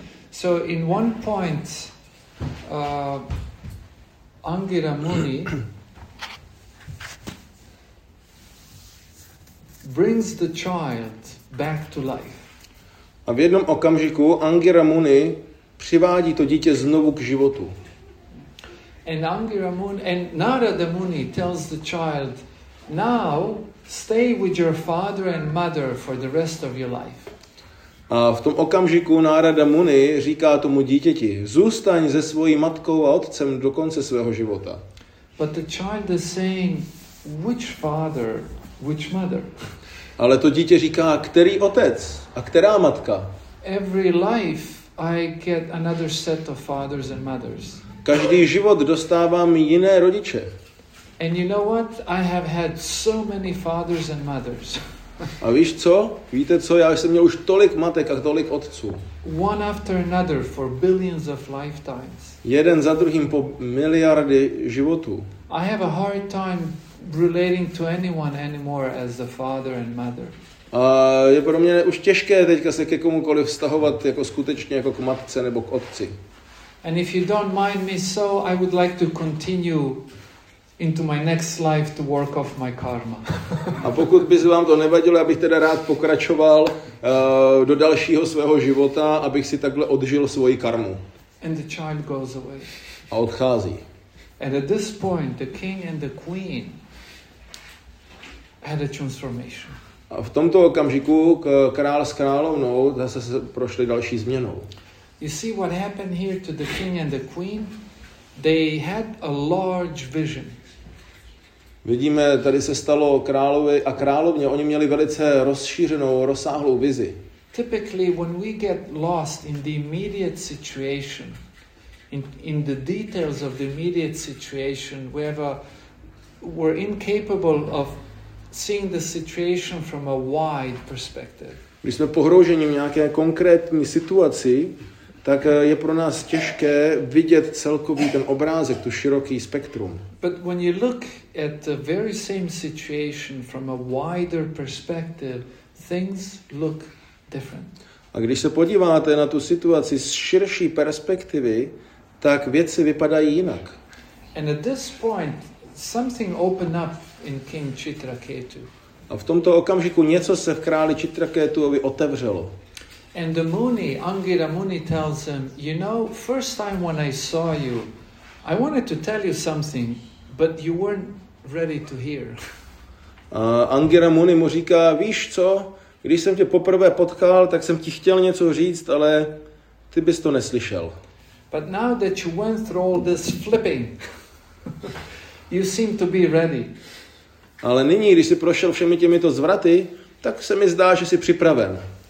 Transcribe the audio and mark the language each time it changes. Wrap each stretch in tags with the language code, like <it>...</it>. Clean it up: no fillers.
<en>So in one point Angira Muni brings the child back to life.</en> <cs>A v jednom okamžiku Angira Muni přivádí to dítě znovu k životu.</cs> <en>And Narada Muni tells the child, now stay with your father and mother for the rest of your life.</en> <cs>A v tom okamžiku Narada Muni říká tomu dítěti, zůstaň se svojí matkou a otcem do konce svého života.</cs> <en>But the child is saying, which father, which mother?</en> <cs>Ale to dítě říká, který otec a která matka?</cs> <en>Every life I get another set of fathers and mothers.</en> <cs>Každý život dostávám jiné rodiče.</cs> <en>And you know what? I have had so many fathers and mothers.</en> <cs>A víš co? Víte co? Já jsem měl už tolik matek a tolik otců.</cs> <en>One after another for billions of lifetimes.</en> <cs>Jeden za druhým po miliardy životů.</cs> <en>I have a hard time relating to anyone anymore as the father and mother.</en> <cs>A je pro mě už těžké teďka se ke komukoliv vztahovat jako skutečně jako k matce nebo k otci.</cs> <en>And if you don't mind me so, I would like to continue into my next life to work off my karma.</en> <cs>A pokud by se vám to nevadilo, abych teda rád pokračoval do dalšího svého života, abych si takhle odžil svoji karmu.</cs> <en>And the child goes away.</en> <cs>A odchází.</cs> <en>And at this point the king and the queen had a transformation.</en> <cs>A v tomto okamžiku král s královnou zase se prošli další změnou.</cs> <en>You see what happened here to the king and the queen? They had a large vision.</en> <cs>Vidíme, tady se stalo královi a královně, oni měli velice rozšířenou, rozsáhlou vizi.</cs> <en>Typically when we get lost in the immediate situation, in the details of the immediate situation, we're incapable of seeing the situation from a wide perspective.</en> <cs>Když jsme pohrouženi v nějaké konkrétní situaci, tak je pro nás těžké vidět celkový ten obrázek, tu široký spektrum.</cs> <en>But when you look at the very same situation from a wider perspective, things look different.</en> <cs>A když se podíváte na tu situaci z širší perspektivy, tak věci vypadají jinak.</cs> <en>And at this point something opened up in King Chitraketu.</en> <cs>A v tomto okamžiku něco se v králi Chitraketuovi otevřelo.</cs> <en>And the Muni, Angira Muni tells him, you know, first time when I saw you, I wanted to tell you something, but you weren't ready to hear.</en> <cs>Angira Muni mu říká, víš co, když jsem tě poprvé potkal, tak jsem ti chtěl něco říct, ale ty bys to neslyšel.</cs> <en>But now that you went through all this flipping, you seem to be ready.</en> <cs>Ale nyní, když jsi prošel všemi těmito zvraty, tak se mi zdá, že jsi připraven.</cs>